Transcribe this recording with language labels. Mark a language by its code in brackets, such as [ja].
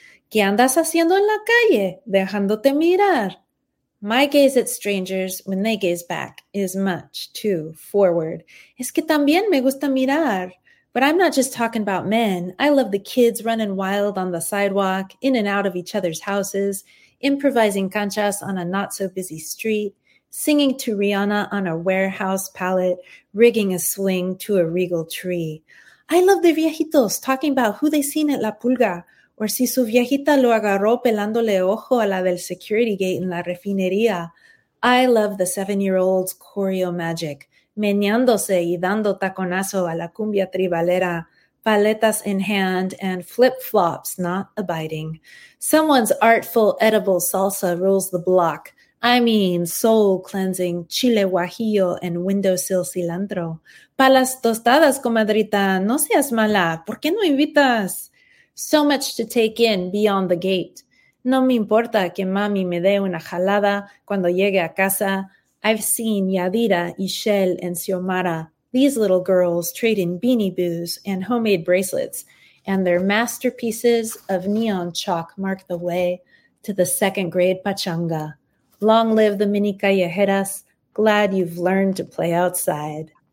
[es] ¿Qué andas haciendo en la calle, dejándote mirar? [en] My gaze at strangers, when they gaze back, is much too forward. [es] Es que también me gusta mirar. [en] But I'm not just talking about men. I love the kids running wild on the sidewalk, in and out of each other's houses, improvising canchas on a not-so-busy street, singing to Rihanna on a warehouse pallet, rigging a swing to a regal tree. I love the viejitos talking about who they seen at La Pulga, or [es] si su viejita lo agarró pelándole ojo a la del security gate en la refinería. [en] I love the 7-year-old's choreo magic, [es] meneándose y dando taconazo a la cumbia tribalera, [en] paletas in hand and flip-flops not abiding. Someone's artful edible salsa rules the block, I mean, soul cleansing, chile guajillo, and windowsill cilantro. [es] Para las tostadas, comadrita, no seas mala. ¿Por qué no invitas? [en] So much to take in beyond the gate. [es] No me importa que mami me dé una jalada cuando llegue a casa. [en] I've seen Yadira, Ishel, and Xiomara, these little girls trading beanie boos and homemade bracelets, and their masterpieces of neon chalk mark the way to the second grade pachanga. Long live the mini callejeras. Glad you've learned to play outside.